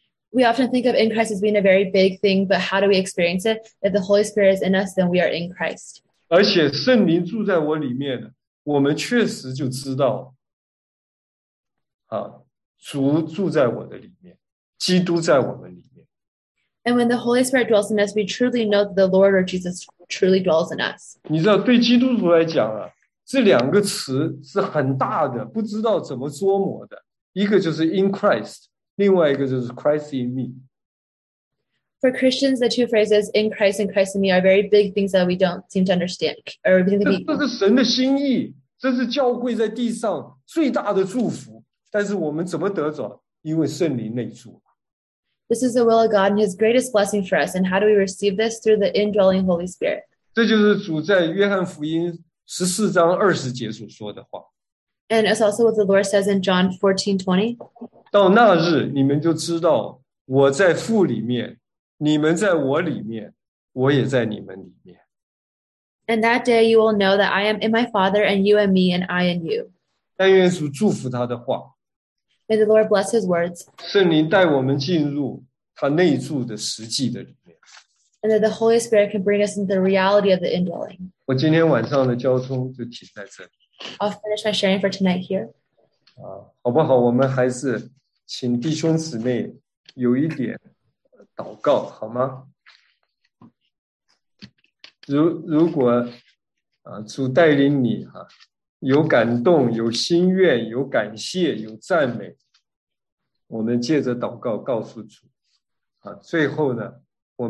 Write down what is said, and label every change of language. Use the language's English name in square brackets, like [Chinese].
[English] We often think of in Christ as being a very big thing, but how do we experience it? If the Holy Spirit is in us, then we are in Christ. [Chinese] 而且圣灵住在我里面，我们确实就知道啊，主住在我的里面，基督在我们里面。 [English] And when the Holy Spirit dwells in us, we truly know that the Lord or Jesus truly dwells in us. [Chinese] 你知道，对基督徒来讲啊，这两个词是很大的，不知道怎么捉摸的。一个就是 in Christ， 另外一个就是 Christ in me。 [English] For Christians, the two phrases in Christ and Christ in me are very big things that we don't seem to understand. Or even [Chinese] the 这是神的心意，这是教会在地上最大的祝福。但是我们怎么得着？因为圣灵内住。 [English] This is the will of God and His greatest blessing for us. And how do we receive this? Through the indwelling Holy Spirit. [Chinese] 这就是主在约翰福音十四章二十节所说的话。 [English] And it's also what the Lord says in John 14:20. [Chinese] 到那日，你们就知道我在父里面。你们在我里面，我也在你们里面。 [English] And that day you will know that I am in my Father, and you in me, and I in you. [Chinese] 但愿主祝福他的话。 [English] May the Lord bless his words. [Chinese] 圣灵带我们进入他内住的实际的里面。 [English] And that the Holy Spirit can bring us into the reality of the indwelling. [Chinese] 我今天晚上的交通就停在这里。 [English] I'll finish my sharing for tonight here. [Chinese] 好不好？我们还是请弟兄姊妹有一点祷告好吗？如果主带领你哈、有感动、有心愿、有感谢、有赞美，我们借着祷告告诉主，最后呢，我们。